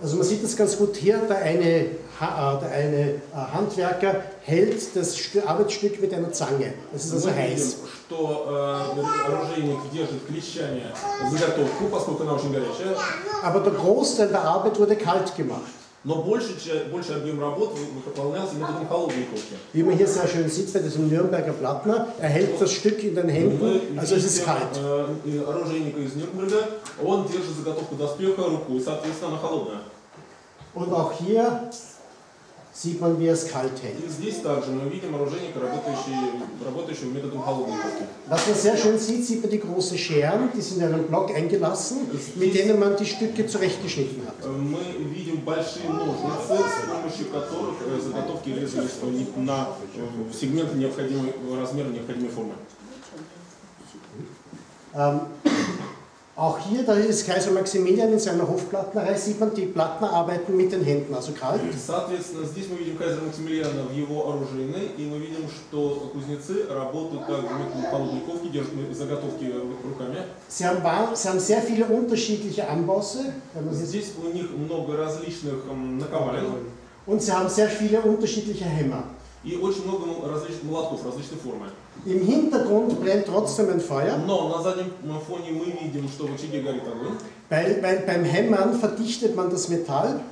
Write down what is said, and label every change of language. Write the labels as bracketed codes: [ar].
[de] Also man sieht das ganz gut hier, der eine Handwerker hält das Arbeitsstück mit einer Zange. Es ist also heiß. [ru] Что оружейник держит клещами заготовку, поскольку она очень горячая. [de] Aber der Großteil der Arbeit wurde kalt gemacht. [ru] Но больше объем работы выполнялся методом холодной кухни. [de] Wie man hier sehr schön sieht bei diesem Nürnberger Plattner, er hält das Stück in den Händen, also es ist kalt. [ru] Оружейника из Нюрнберга, он держит заготовку доспеха рукой, соответственно, она холодная. [de] Und auch hier sieht man, wie es kalt hält. [ru] И здесь также мы видим оружейника, работающего методом холодной кухни. [de] Was man sehr schön sieht, sieht man die großen Scheren, die sind in einem Block eingelassen, mit denen man die Stücke zurechtgeschnitten hat. [ru] Мы видим большие ножницы, с помощью которых заготовки резались на сегменты необходимого размера, необходимой формы. [de] Auch hier, da ist Kaiser Maximilian in seiner Hofplattnerei, sieht man, die Plattner arbeiten mit den Händen, also kalt. [ru] Соответственно, здесь мы видим Кайзера Максимилиана в его оружейной, и мы видим, что кузнецы работают также [de] mit [ru] Полудниковки, держат заготовки руками. [de] Sie haben sehr viele unterschiedliche Anbosse. [ru] Здесь у них много различных наковален. [de] Und sie haben sehr viele unterschiedliche Hämmer. [ru] И очень много различных молотков, различной формы. [de] Im Hintergrund brennt trotzdem ein Feuer. [ru] Но на заднем фоне мы видим, что в очаге горит огонь. [de] Beim Hämmern verdichtet man das Metall.